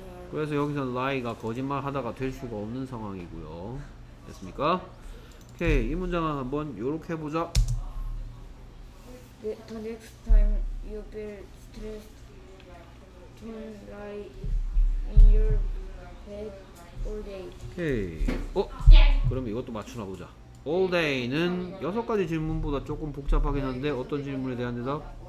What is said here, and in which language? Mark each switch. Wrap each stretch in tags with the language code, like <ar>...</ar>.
<ko>그래서 여기서 lie가 거짓말하다가 될 수가 없는 상황이고요. 됐습니까? 오케이 이 문장 한번 요렇게 해보자.</ko> <en>The next time you feel stressed Don't lie in your head all day. Okay. 어? Yeah.</en> <ko>그럼 이것도 맞추나 보자. All day는 여섯 가지 질문보다 조금 복잡하긴 한데 어떤 질문에 대한 대답?</ko>